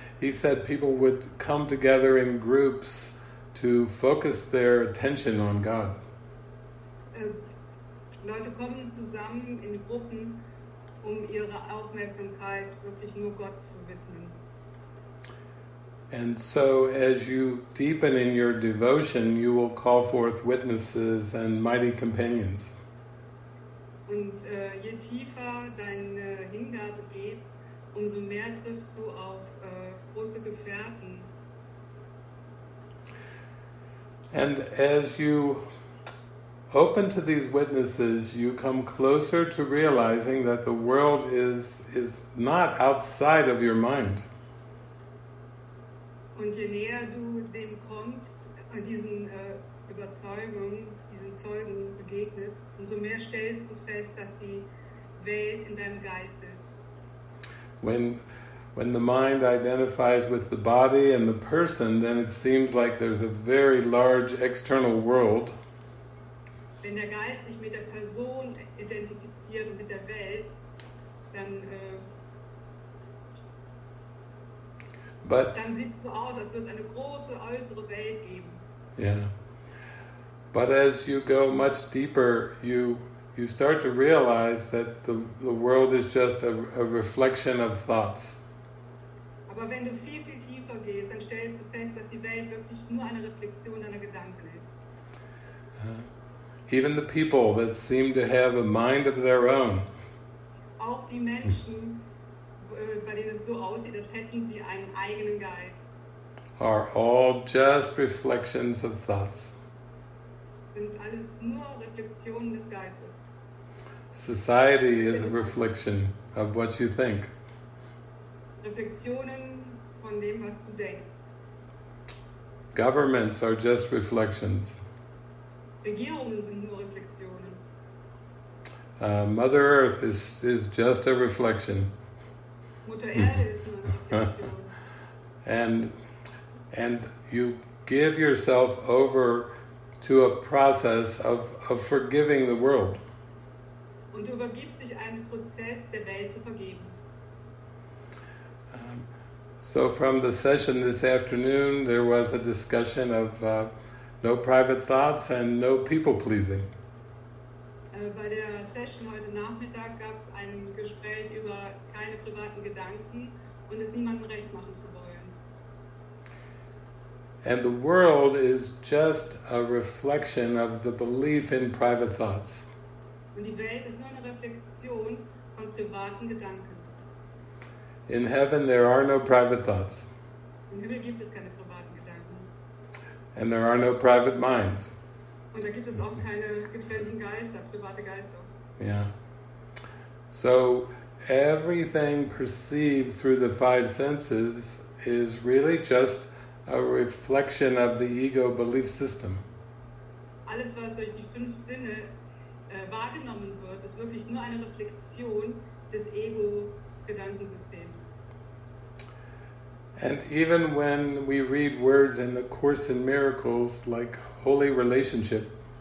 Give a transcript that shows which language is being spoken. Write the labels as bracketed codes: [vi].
[en] He said people would come together in groups to focus their attention on God. [de] Leute kommen zusammen in Gruppen, um ihre Aufmerksamkeit wirklich nur Gott zu widmen. [en] And so as you deepen in your devotion, you will call forth witnesses and mighty companions. [de] Und je tiefer deine Hingabe geht, umso mehr triffst du auf große Gefährten. [en] And as you open to these witnesses, you come closer to realizing that the world is not outside of your mind. [de] Und je näher du dem kommst, diesen Überzeugungen, diesen Zeugen begegnest, umso mehr stellst du fest, dass die Welt in deinem Geist ist. [en] When the mind identifies with the body and the person, then it seems like there's a very large external world. [de] Wenn der Geist sich mit der Person identifiziert und mit der Welt, dann, [en] but, [de] dann sieht es so aus, als würde es eine große äußere Welt geben. [en] Yeah. But as you go much deeper, you start to realize that the world is just a reflection of thoughts. [de] Aber wenn du viel, viel tiefer gehst, dann stellst du fest, dass die Welt wirklich nur eine Reflexion deiner Gedanken ist. [en] Even the people that seem to have a mind of their own. [de] Auch die Menschen, bei denen es so aussieht, als hätten sie einen eigenen Geist. [en] Are all just reflections of thoughts. [de] Sind alles nur Reflexionen des Geistes. [en] Society is a reflection of what you think. [de] Reflexionen von dem, was du denkst. [en] Governments are just reflections. [de] Regierungen sind nur Reflexionen. [en] Mother Earth is just a reflection. [de] Mutter Erde ist nur eine Reflexion. [en] And you give yourself over to a process of forgiving the world. [de] Und du übergibst dich einem Prozess, der Welt zu vergeben. [en] So from the session this afternoon, there was a discussion of no private thoughts and no people pleasing. [de] Bei der Session heute Nachmittag gab es ein Gespräch über keine privaten Gedanken und es niemandem recht machen zu wollen. [en] And the world is just a reflection of the belief in private thoughts. [de] Und die Welt ist nur eine Reflexion von privaten Gedanken. [en] In heaven there are no private thoughts. [de] Im Himmel gibt es keine privaten Gedanken. [en] And there are no private minds. [de] Und da gibt es auch keine getrennten Geister, private Geister. [en] Yeah. So everything perceived through the five senses is really just a reflection of the ego belief system. [de] Alles was durch die fünf Sinne wahrgenommen wird, ist wirklich nur eine Reflexion des Ego Gedankensystems. [en] And even when we read words in the Course in Miracles like holy relationship.